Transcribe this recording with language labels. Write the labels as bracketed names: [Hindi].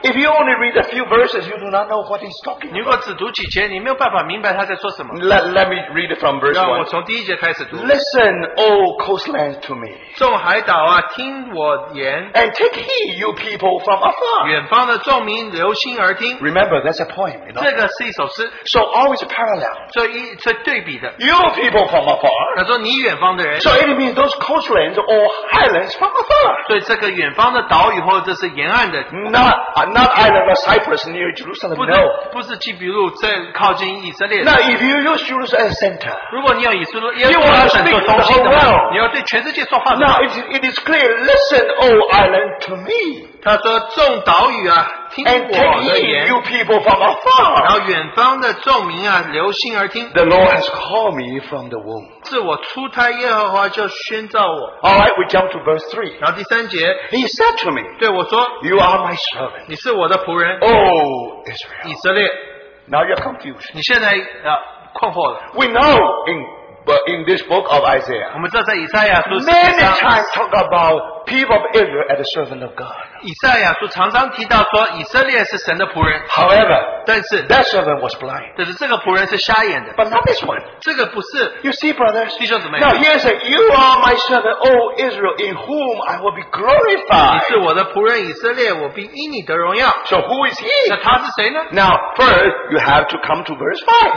[English] If you only read a few verses, you do not know what he's talking about. [Chinese] 如果只读几节, 你没有办法明白他在说什么? [English] Let me read it from verse [Chinese] 让我从第一节开始读, [English] 1. Listen, O coastland, to me. [Chinese] 众海岛啊, 听我言, [English] and take heed, you people from afar. [Chinese] 远方的众民, 留心而听, [English] remember, that's a poem. You know? [Chinese] 这个是一首诗, [English] so always parallel. [Chinese] 所以对比的, [English] you people from afar. [Chinese] 他说你远方的人, [English] so it means those coastlands or highlands from afar. [Chinese] 所以这个远方的岛屿或者是沿岸的, [English] not island of Cyprus near Jerusalem, [Chinese] 不是, [English] no. [Chinese] 不是基比路在靠近以色列, [English] now if you use Jerusalem as a center, [Chinese] 如果你有以色列, [English] you want to speak to the whole world. [Chinese] 你要对全世界说话, [English] now it is clear, listen, O island, to me. [Chinese] 他说众岛屋啊, [English] and take heed, you people from afar. [Chinese] 然后远方的众民啊, 留心而听, [English] the Lord has called me from the womb. [Chinese] 自我出胎耶和华就宣召我。 [English] Alright, we jump to verse 3. [Chinese] 然后第三节, [English] he said to me, [Chinese] 对我说, [English] you are my servant. [Chinese] 你是我的仆人, [English] O Israel. [Chinese] 以色列, [English] now you're confused. [Chinese] 你现在, 困惑了。 [English] We know in this book of Isaiah, [Chinese] 我们知道在以赛亚书, [English] many times talk about people of Israel as a servant of God. [Chinese] 以赛亚书常常提到说以色列是神的仆人, [English] however, [Chinese] 但是, [English] that servant was blind. [Chinese] 但是这个仆人是瞎眼的, [English] but not this one. [Chinese] 这个不是, [English] you see, brothers, [Chinese] 弟兄姊妹, [English] now here's a, you are my servant, O Israel, in whom I will be glorified. [Chinese] 你是我的仆人以色列, 我必因你得荣耀。 [English] So who is he? [Chinese] 那他是谁呢? [English] Now first you have to come to verse 5.